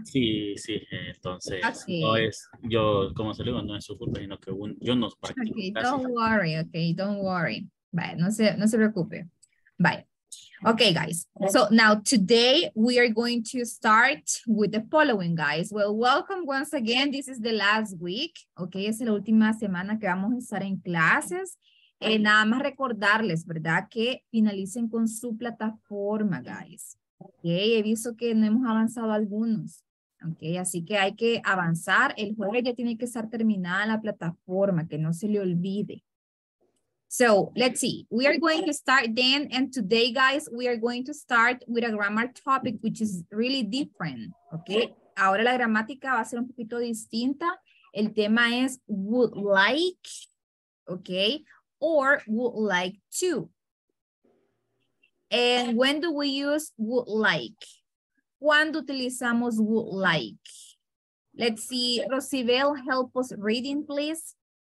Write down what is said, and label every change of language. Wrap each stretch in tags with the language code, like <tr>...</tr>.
<es>Sí, sí, entonces okay. No es, yo, como se le digo, no es su culpa, sino que yo no practico. Okay, casi.</es> <en>Don't worry.</en> <es>Vale, no se preocupe.</es> <en>Bye. Okay, guys. So now today we are going to start with the following, guys. Well, welcome once again. This is the last week.</en> <es>Okay, es la última semana que vamos a estar en clases. Nada más recordarles, ¿verdad? Que finalicen con su plataforma, guys. Ok, he visto que no hemos avanzado algunos. Ok, así que hay que avanzar. El jueves ya tiene que estar terminada la plataforma, que no se le olvide.</es> <en>So, let's see. We are going to start then, and today, guys, we are going to start with a grammar topic, which is really different.</en> <es>Ok, ahora la gramática va a ser un poquito distinta. El tema es</es> <en>would like, ok, or would like to. And when do we use would like?</en> <es>cuando utilizamos</es> <en>would like. Let's see, Rosibel, help us reading, please.</en>